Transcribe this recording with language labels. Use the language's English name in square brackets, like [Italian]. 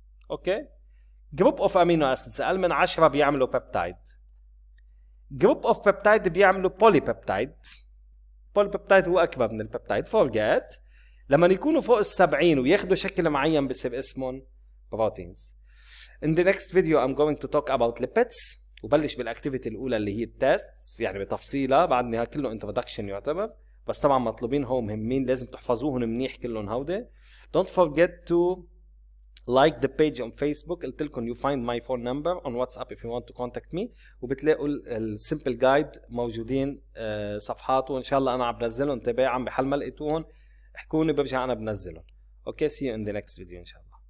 [Arabic] اوكي، جروب اوف امينو اسيد اقل من 10 بيعملوا بيبتايد، جروب اوف بيبتايد بيعملوا بولي بيبتايد. بولي بيبتايد هو اكبر من البيبتايد فورجيت. لما يكونوا فوق السبعين وياخدوا شكل معين بسبب اسمهم proteins. [English] In the next video I'm going to talk about lipids. [Arabic] وبلش بالactivity الأولى اللي هي التستس، يعني بتفصيلها بعد نهاية كله introduction يعتبر. بس طبعا مطلوبين هو مهمين، لازم تحفظوهن منيح كلهن هودة. [English] Don't forget to like the page on Facebook. [Arabic] قلت لكم [English] you find my phone number on WhatsApp if you want to contact me. [Arabic] وبتلاقوا السيمبل جايد موجودين صفحاته، وإن شاء الله أنا عم بنزلهم تباعا، بحال ما لقيتوهن احكوني برجع انا بنزله. اوكي، [English] see you in the next video [Arabic] ان شاء الله.